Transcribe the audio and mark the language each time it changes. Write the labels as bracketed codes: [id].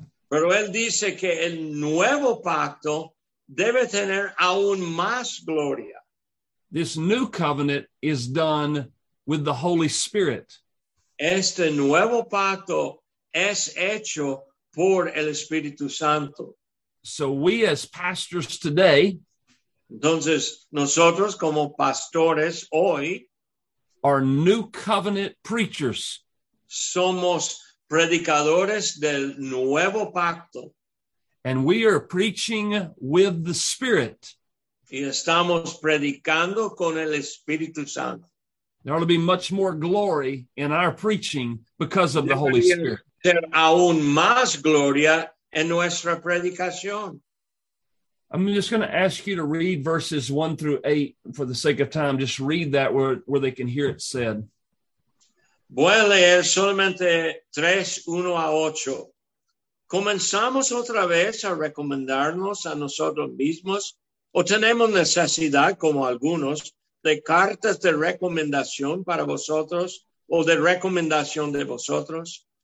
[es] Pero él dice que el nuevo pacto debe tener aún más gloria. [en] This new covenant is done with the Holy Spirit. [es] Este nuevo pacto es hecho por el Espíritu Santo. [en] So we as pastors today, [es] entonces nosotros como pastores hoy, [en] are new covenant preachers. [es] Somos predicadores del nuevo pacto. [en] And we are preaching with the Spirit. [es] Y estamos predicando con el Espíritu Santo. [en] There will be much more glory in our preaching because of the Holy Spirit. [es] Ser aún más gloria en nuestra predicación. [en] I'm just going to ask you to read verses 1 through 8 for the sake of time. Just read that where they can hear it said. [es] Voy a leer solamente 3, 1 a 8. ¿Comenzamos otra vez a recomendarnos a nosotros mismos o tenemos necesidad, como algunos, de cartas de recomendación para vosotros o de recomendación de vosotros?